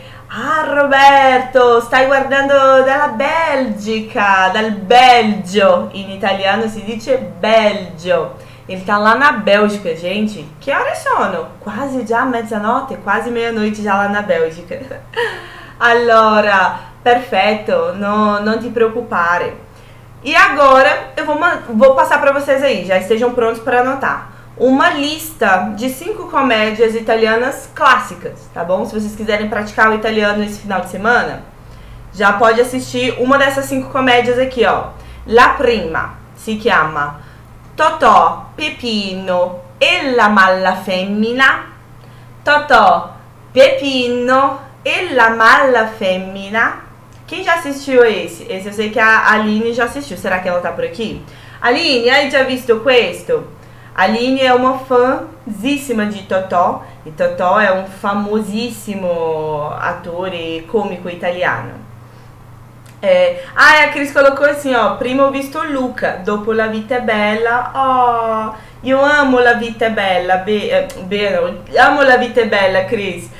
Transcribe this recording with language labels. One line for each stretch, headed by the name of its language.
Italian: Ah, Roberto, stai guardando dalla Belgica, dal Belgio. In italiano si dice Belgio.
Portuguese: Ele tá lá na Bélgica, gente. Que horas sono? Quase già mezzanotte, quase meia-noite já lá na Bélgica.
Italian: Allora, perfetto, non ti preoccupare.
Portuguese: E agora eu vou passar para vocês aí, já estejam prontos para anotar. Uma lista de cinco comédias italianas clássicas, tá bom? Se vocês quiserem praticar o italiano esse final de semana, já pode assistir uma dessas cinco comédias aqui, ó.
Italian: La prima si chiama Totò, Peppino e la Malla Femmina. Totò, Peppino e la Malla Femmina.
Portuguese: Quem já assistiu esse? Esse eu sei que a Aline já assistiu. Será que ela tá por aqui? Aline,
Italian: hai già visto questo?
Portuguese: Aline é uma fãzíssima de Totò, e Totò é um famosíssimo atore cômico italiano. Ah, e a Cris colocou assim, ó,
Italian: prima ho visto Luca, dopo La vita è bella, oh, io amo La vita è bella, be amo La vita è bella, Cris.